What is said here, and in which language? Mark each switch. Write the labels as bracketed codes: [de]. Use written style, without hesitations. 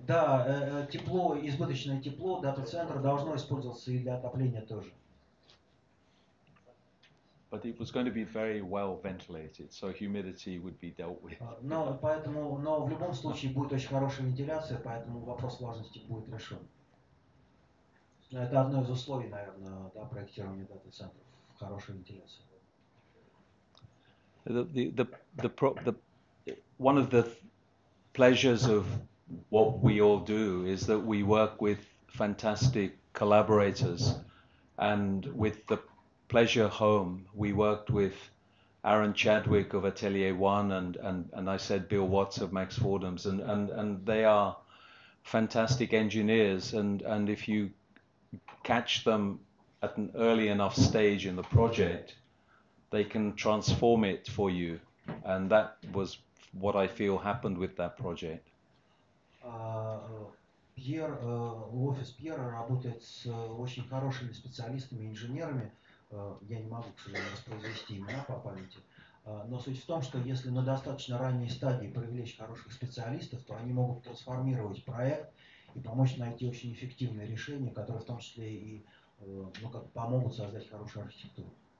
[ru] Да, тепло, избыточное тепло, дата-центр должно использоваться и для отопления тоже. [en] But it was going to be very well ventilated, so humidity would be dealt with. [ru] Но в любом случае будет очень хорошая вентиляция, поэтому вопрос влажности будет решен. Это одно из условий, наверное, да, проектирования дата-центров. Хорошая вентиляция. [en] The one of the pleasures of what we all do is that we work with fantastic collaborators, and with the Pleasure Home, we worked with Aaron Chadwick of Atelier One and I said Bill Watts of Max Fordham's, and they are fantastic engineers, and if you catch them at an early enough stage in the project, they can transform it for you, and that was what I feel happened with that project. [ru] Pierre, office Pierre работает с очень хорошими специалистами, инженерами. Я не могу, к сожалению, воспроизвести имена по памяти. Но суть в том, что если на достаточно ранней стадии привлечь хороших специалистов, то они могут трансформировать проект и помочь найти очень эффективные решения, которые в том числе и как помогут создать хорошую архитектуру.